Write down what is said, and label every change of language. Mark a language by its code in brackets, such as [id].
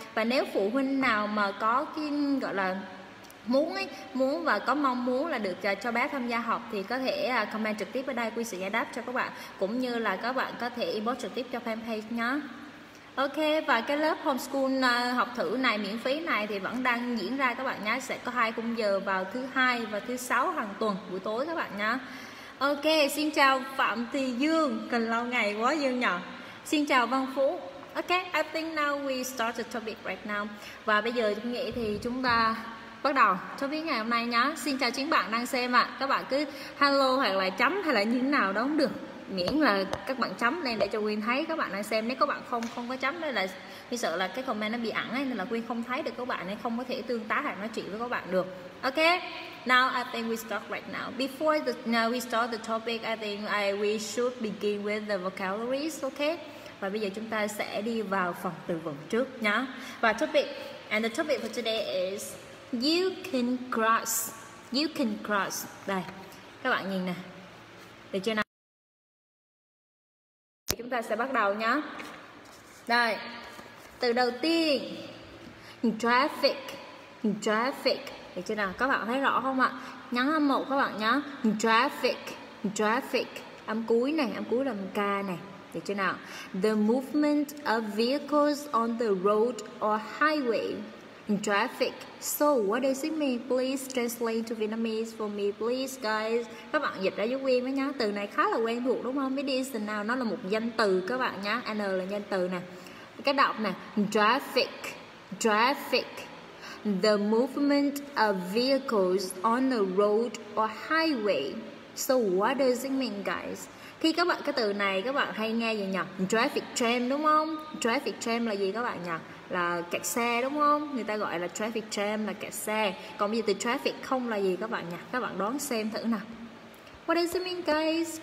[vi] Và nếu phụ huynh nào mà có cái gọi là muốn và có mong muốn là được cho bé tham gia học thì có thể comment trực tiếp ở đây, Quyên sẽ giải đáp cho các bạn, cũng như là các bạn có thể inbox trực tiếp cho fanpage nhé. Ok, và cái lớp homeschool học thử này miễn phí này thì vẫn đang diễn ra các bạn nhé, sẽ có hai khung giờ vào thứ hai và thứ sáu hàng tuần buổi tối các bạn nhé. Ok, xin chào Phạm Thị Dương, cần lâu ngày quá Dương nhỏ. Xin chào Văn Phú. [en] Ok, I think now we start the topic right now. [vi] Và bây giờ tôi nghĩ thì chúng ta bắt đầu cho biết ngày hôm nay nhá. Xin chào chính bạn đang xem ạ. Các bạn cứ hello hoặc là chấm hay là như thế nào đó cũng được, miễn là các bạn chấm lên để cho Quyên thấy các bạn đang xem. Nếu các bạn không có chấm đây là vì sợ là cái comment nó bị ẩn ấy, nên là Quyên không thấy được các bạn, nên không có thể tương tác hay nói chuyện với các bạn được. [en] Ok, now I think we start right now. Before we start the topic, I think we should begin with the vocabularies. [vi] Ok, và bây giờ chúng ta sẽ đi vào phần từ vựng trước nhá. [en] Và the topic for today is You can cross. [vi] Đây, các bạn nhìn nè. Được chưa nào? Chúng ta sẽ bắt đầu nhá. Đây, từ đầu tiên, Traffic. Được chưa nào? Các bạn thấy rõ không ạ? Nhắn âm một các bạn nhá. Traffic. Âm cuối này, âm cuối là ca này. [en] Did you know? The movement of vehicles on the road or highway. Traffic. So what does it mean? Please translate to Vietnamese for me, please, guys. [vi] Các bạn dịch ra giúp Quyên với nhá. Từ này khá là quen thuộc đúng không? [en] It is the noun. [vi] Nó là một danh từ các bạn nhá. N là danh từ nè. Cái đọc nè. Traffic. Traffic. [en] The movement of vehicles on the road or highway. So what does it mean, guys? [vi] Khi các bạn cái từ này các bạn hay nghe gì nhỉ? Traffic jam đúng không? Traffic jam là gì các bạn nhỉ? Là kẹt xe đúng không? Người ta gọi là traffic jam là kẹt xe. Còn bây giờ từ traffic không là gì các bạn nhỉ? Các bạn đoán xem thử nào. [en] What does it mean, guys?